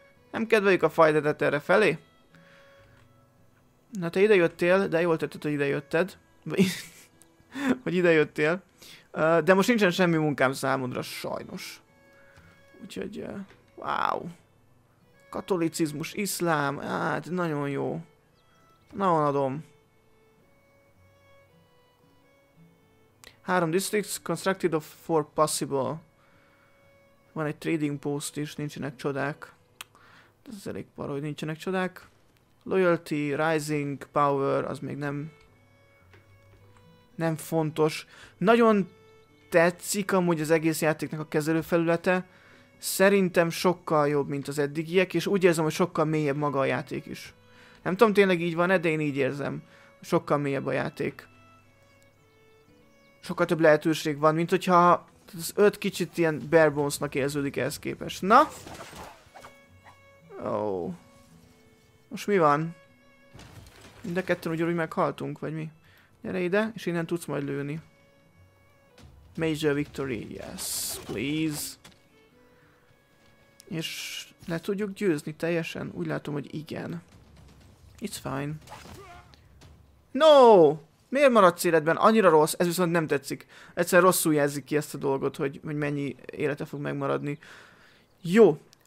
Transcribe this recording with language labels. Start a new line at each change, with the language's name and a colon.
Hungarian: Nem kedveljük a fajdedet erre felé? Na, te ide jöttél, de jól tetted, hogy ide jötted. hogy ide jöttél. De most nincsen semmi munkám számodra, sajnos. Úgyhogy, wow. Katolicizmus, iszlám, hát nagyon jó. Nagyon adom.
English: Három districts constructed of four possible.
Hungarian: Van egy trading post is, nincsenek csodák. Ez elég para, hogy nincsenek csodák.
English: Loyalty, rising, power,
Hungarian: az még nem... Nem fontos. Nagyon tetszik amúgy az egész játéknak a kezelőfelülete. Szerintem sokkal jobb, mint az eddigiek, és úgy érzem, hogy sokkal mélyebb maga a játék is. Nem tudom, tényleg így van-e, de én így érzem. Sokkal mélyebb a játék. Sokkal több lehetőség van, mint hogyha az öt kicsit ilyen bare bones-nak érződik ehhez képest. Na! Ó. Most mi van? Mind a ketten ugyanúgy meghaltunk, vagy mi? Gyere ide, és innen tudsz majd lőni.
English: Major victory, yes, please.
Hungarian: És le tudjuk győzni teljesen? Úgy látom, hogy igen.
English: It's fine. No!
Hungarian: Miért maradsz életben? Annyira rossz, ez viszont nem tetszik. Egyszer rosszul jelzik ki ezt a dolgot, hogy mennyi élete fog megmaradni. Jó.